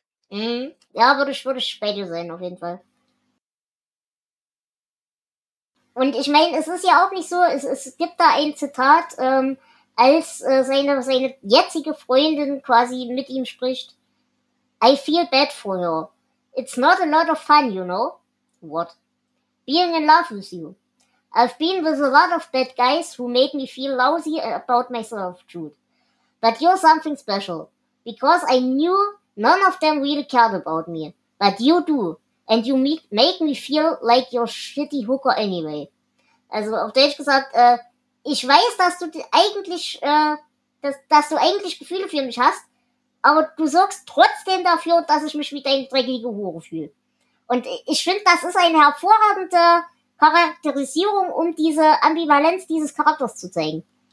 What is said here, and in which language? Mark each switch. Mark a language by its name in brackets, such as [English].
[German] Ja, würde ich bei dir sein, auf jeden Fall. Und ich meine, es ist ja auch nicht so, es gibt da ein Zitat, als seine jetzige Freundin quasi mit ihm spricht: [English] I feel bad for her. It's not a lot of fun, you know? What? Being in love with you. I've been with a lot of bad guys who made me feel lousy about myself, Jude. But you're something special. Because I knew none of them really cared about me. But you do. And you make me feel like your shitty hooker anyway. [German] Also auf Deutsch gesagt, ich weiß, dass du eigentlich dass du eigentlich Gefühle für mich hast, aber du sorgst trotzdem dafür, dass ich mich wie deine dreckige Hure fühle. Und ich finde, das ist eine hervorragende Charakterisierung, um diese Ambivalenz dieses Charakters zu zeigen.